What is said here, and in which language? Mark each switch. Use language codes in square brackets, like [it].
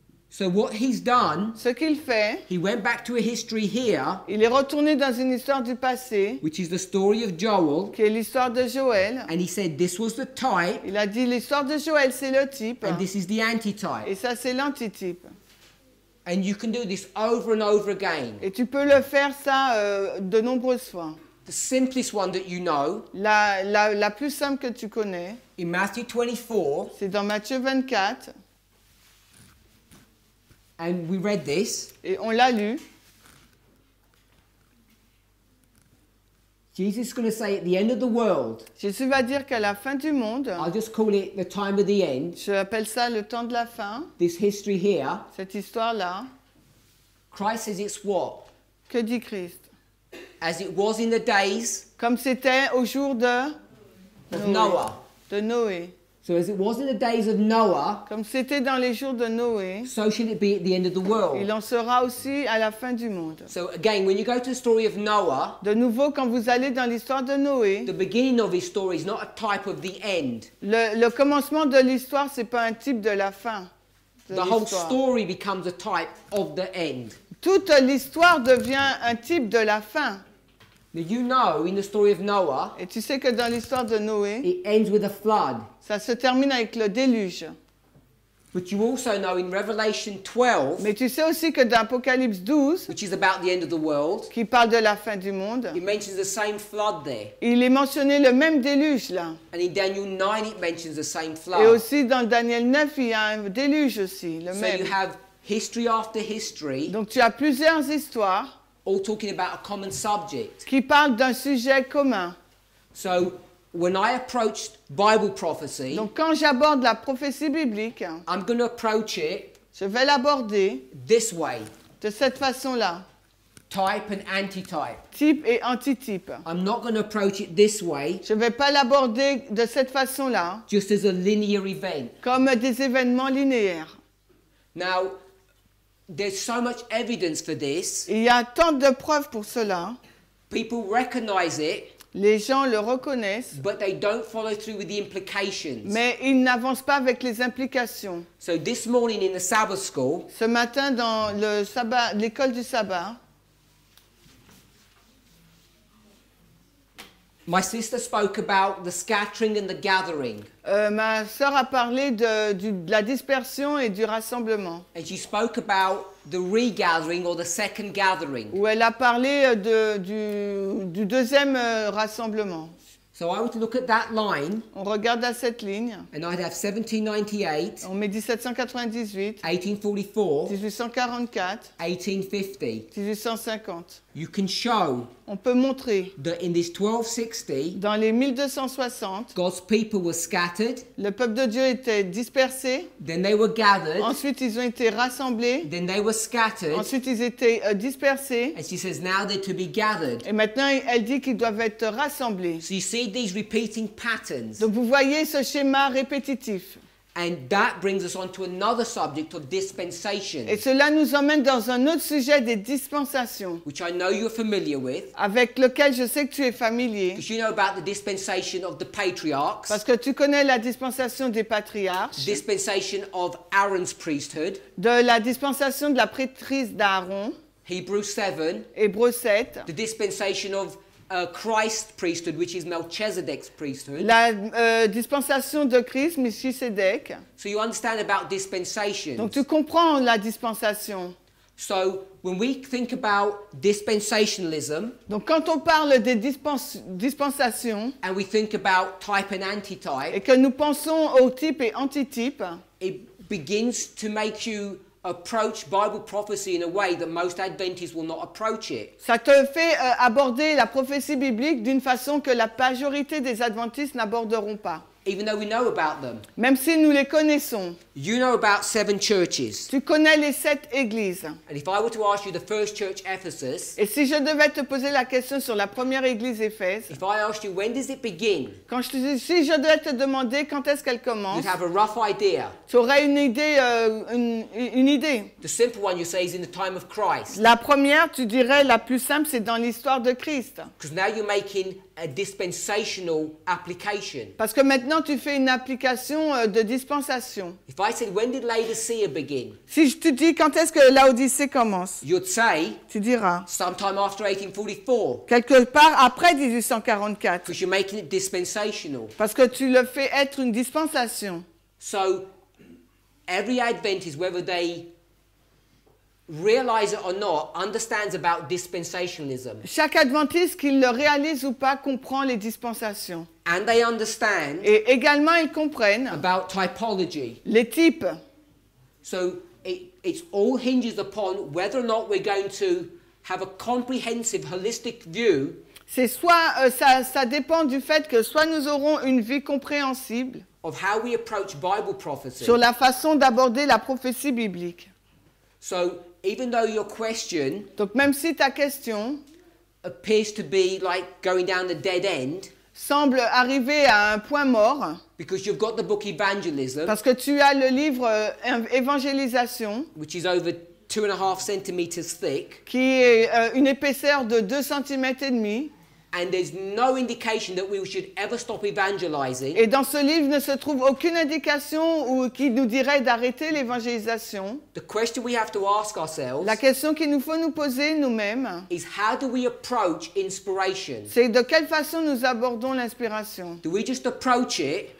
[en] So what he's done? [fr] Ce qu'il fait? [en] He went back to a history here. [fr] Il est retourné dans une histoire du passé. [en] Which is the story of Joel. [fr] Qui est l'histoire de Joël. [en] And he said this was the type. [fr] Il a dit l'histoire de Joël c'est le type. [en] And this is the anti-type. [fr] Et ça c'est l'antitype. [en] And you can do this over and over again. [fr] Et tu peux le faire ça de nombreuses fois. [en] The simplest one that you know. [fr] La plus simple que tu connais. [en] In Matthew 24. [fr] C'est dans Matthieu 24. [en] And we read this. [fr] Et on l'a lu. [en] Jesus is going to say at the end of the world. [fr] Jésus va dire qu'à la fin du monde. [en] I'll just call it the time of the end. [fr] Je appelle ça le temps de la fin. [en] This history here. [fr] Cette histoire là. [en] Christ says it's what? [fr] Que dit Christ? [en] As it was in the days. [fr] Comme c'était au jour de. [en] Of Noah. [fr] De Noé. [en] So as it was in the days of Noah, [fr] comme c'était dans les jours de Noé, [en] so shall it be at the end of the world. [fr] Il en sera aussi à la fin du monde. [en] So again, when you go to the story of Noah, [fr] de nouveau quand vous allez dans l'histoire de Noé, [en] the beginning of his story is not a type of the end. [fr] Le commencement de l'histoire c'est pas un type de la fin. [en] The whole story becomes a type of the end. [fr] Toute l'histoire devient un type de la fin. [en] Now you know in the story of Noah, [fr] et tu sais que dans l'histoire de Noé, [en] it ends with a flood. [fr] Ça se termine avec le déluge. [en] But you also know in Revelation 12, [fr] mais tu sais aussi que dans Apocalypse 12, [en] which is about the end of the world, [fr] qui parle de la fin du monde, [en] it mentions the same flood there. [fr] Il est mentionné le même déluge là. [en] And in Daniel 9, it mentions the same flood. [fr] Et aussi dans Daniel 9, il y a un déluge aussi, le [en] so [fr] même. [en] You have history after history, [fr] donc tu as plusieurs histoires, [en] all talking about a common subject, [fr] qui parlent d'un sujet commun. [en] So, when I approach Bible prophecy, [fr] donc quand j'aborde la prophétie biblique, [en] I'm going to approach it, [fr] je vais l'aborder [en] this way, [fr] de cette façon-là, [en] type and anti-type, [fr] type et anti-type. [en] I'm not going to approach it this way, [fr] je vais pas l'aborder de cette façon-là, [en] just as a linear event, [fr] comme des événements linéaires. [en] Now, there's so much evidence for this. [fr] Il y a tant de preuves pour cela. [en] People recognize it. [fr] Les gens le reconnaissent, [en] but they don't follow through with the implications. [fr] Mais ils n'avancent pas avec les implications. [en] So this morning in the Sabbath school, [fr] ce matin dans le sabbat, l'école du sabbat, [en] my sister spoke about the scattering and the gathering. [fr] Ma sœur a parlé de la dispersion et du rassemblement. [en] And she spoke about the regathering or the second gathering. [fr] Où elle a parlé du deuxième rassemblement. [en] So I would look at that line. [fr] On regarde à cette ligne. [en] And I'd have 1798. [fr] On met 1798. [en] 1844. [fr] 1844. [en] 1850. [fr] 1850. [en] You can show. [fr] On peut montrer. [en] That in this 1260. [fr] Dans les 1260. [en] God's people were scattered. [fr] Le peuple de Dieu était dispersé. [en] Then they were gathered. [fr] Ensuite ils ont été rassemblés. [en] Then they were scattered. [fr] Ensuite ils étaient dispersés. [en] And she says now they're to be gathered. [fr] Et maintenant elle dit qu'ils doivent être rassemblés. [en] So you see these repeating patterns. [fr] Donc vous voyez ce schéma répétitif. [en] And that brings us on to another subject of dispensation. [fr] Et cela nous emmène dans un autre sujet des dispensations. [en] Which I know you're familiar with. [fr] Avec lequel je sais que tu es familier. [en] Because you know about the dispensation of the patriarchs. [fr] Parce que tu connais la dispensation des patriarches. [en] Dispensation of Aaron's priesthood. [fr] De la dispensation de la prêtrise d'Aaron. [en] Hebrews 7. [fr] Hébreux 7. [en] The dispensation of Christ's priesthood, which is Melchizedek's priesthood. [fr] La dispensation de Christ, Melchizedek. [en] So you understand about dispensations. [fr] Donc tu comprends la dispensation. [en] So when we think about dispensationalism. [fr] Donc quand on parle des dispensations. [en] And we think about type and anti-type. [fr] Et que nous pensons au type et anti-type. [en] It begins to make you approach Bible prophecy in a way that most Adventists will not approach it. [fr] Ça te fait aborder la prophétie biblique d'une façon que la majorité des Adventistes n'aborderont pas. [en] Even though we know about them. [fr] Même si nous les connaissons. [en] You know about seven churches. [fr] Tu connais les sept églises. [en] And if I were to ask you the first church, Ephesus. [fr] Et si je devais te poser la question sur la première église, Éphèse. [en] If I asked you when does it begin. [fr] Quand je, si je devais te demander quand est-ce qu'elle commence. [en] You'd have a rough idea. [fr] Tu aurais une idée. [en] The simple one you say is in the time of Christ. [fr] La première, tu dirais la plus simple, c'est dans l'histoire de Christ. [en] Because now you're making a dispensational application. [fr] Parce que maintenant tu fais une application de dispensation. [en] If I said when did Laodicea begin? [fr] Si je te dis quand est-ce que Laodicée commence? [en] You'd say. [fr] Tu diras. [en] Sometime after 1844. [fr] Quelque part après 1844. [en] Because you're making it dispensational. [fr] Parce que tu le fais être une dispensation. [en] So every Adventist, whether they realize it or not, understands about dispensationalism. [fr] Chaque Adventiste, qu'il le réalise ou pas, comprend les dispensations. [en] And they understand. [fr] Et également, ils comprennent. [en] About typology. [fr] Les types. [en] So it all hinges upon whether or not we're going to have a comprehensive, holistic view. [fr] C'est soit ça dépend du fait que soit nous aurons une vue compréhensible. [en] Of how we approach Bible prophecy. [fr] Sur la façon d'aborder la prophétie biblique. [en] So. Even though your question, [fr] donc même si ta question [en] appears to be like going down the dead end, [fr] semble arriver à un point mort, [en] because you've got the book Evangelism, [fr] parce que tu as le livre Évangélisation, [en] which is over 2.5 centimeters thick, [fr] qui est une épaisseur de 2.5 cm. [en] And there's no indication that we should ever stop evangelizing. [fr] Et dans ce livre ne se trouve aucune indication ou qui nous dirait d'arrêter l'évangélisation. [en] The question we have to ask ourselves. [fr] La question qu'il nous faut nous poser nous-mêmes. [en] Is how do we approach inspiration? [fr] C'est de quelle façon nous abordons l'inspiration? [en] Do we just approach it?